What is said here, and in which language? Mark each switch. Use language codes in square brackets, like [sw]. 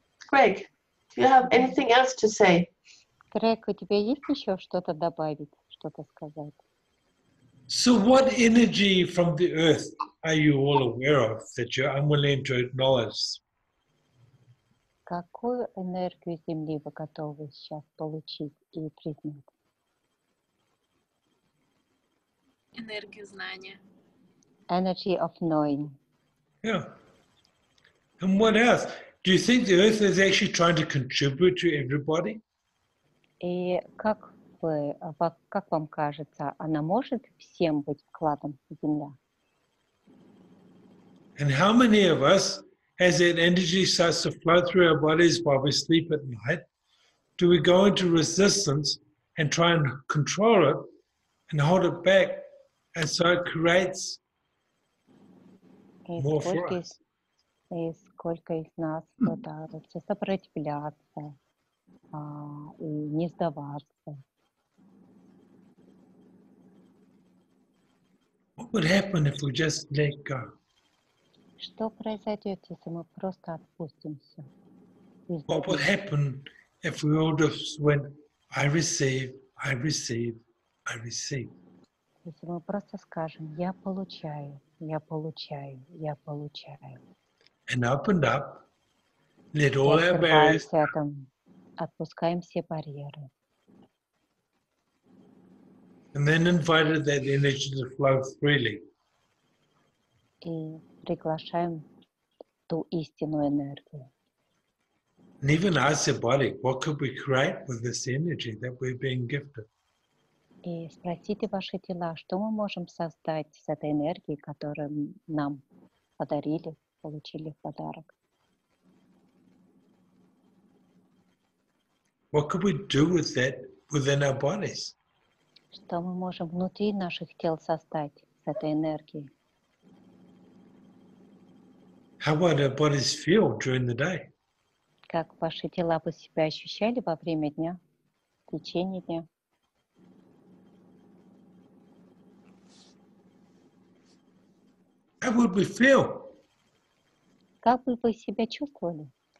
[en] Greg, do you have anything else to say? [ru] Greg, у тебя есть еще что-то добавить, что-то сказать? [en] So what energy from the earth are you all aware of that you're unwilling to acknowledge? [ru] Какую энергию Земли вы готовы сейчас получить и признать? Энергию знания. [en] Energy of knowing. Yeah. And what else? Do you think the Earth is actually trying to contribute to everybody? [ru] И как вы, как вам кажется, она может всем быть вкладом Земля? [en] And how many of us, as that energy starts to flow through our bodies while we sleep at night, do we go into resistance and try and control it and hold it back, and so it creates more for us? [ru] И сколько из нас пытаются сопротивляться и не сдаваться. [en] What would happen if we just let go? [ru] Что произойдет, если мы просто отпустимся? [en] What would happen if we all just went, I receive, I receive, I receive? [ru] Если мы просто скажем, я получаю, я получаю, я получаю. [en] And opened up, let all our barriers. [ru] Отпускаем все барьеры. [en] And then invited that energy to flow freely. [ru] И приглашаем ту истинную энергию. [en] And even ask your body, what could we create with this energy that we're being gifted? [ru] И спросите ваши тела, что мы можем создать с этой энергией, которую нам подарили, получили в подарок. [en] What could we do with that within our bodies? [ru] Что мы можем внутри наших тел создать с этой энергией? [en] How would our bodies feel during the day? [ru] Как ваши тела бы себя ощущали во время дня, в течение дня? [en] How would we feel? [ru] Как бы вы себя чувствовали?